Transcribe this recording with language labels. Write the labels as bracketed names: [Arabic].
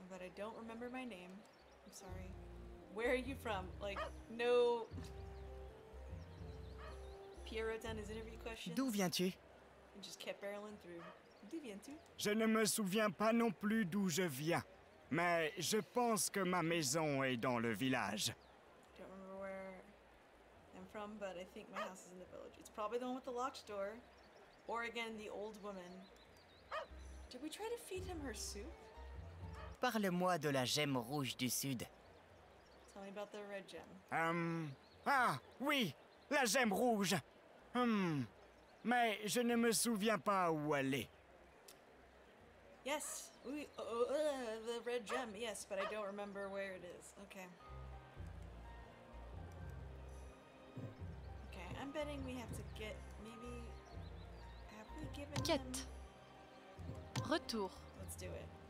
[English] But I don't remember my name. I'm sorry. Where are you from? Like, no... Pierre wrote down his interview questions. [French] D'où viens-tu? [English] And just kept barreling through. [French] D'où viens-tu? Je ne me souviens pas non plus d'où je viens. Mais je pense que ma maison est dans le village. [English] I don't remember where I'm from, but I think my house is in the village. It's probably the one with the locked door. Or again, the old woman. Did we try to feed him her soup? [French] Parle-moi de la gemme rouge du sud. [English] Tell me about the red gem. [French] Ah, oui! La gemme rouge. Mais je ne me souviens pas où elle est. [English] Yes. Oui. The red gem. Yes, but I don't remember where it is. Okay. I'm betting we have to get... Maybe... Have we given him... [French] Quête. Retour. [English] Let's do it.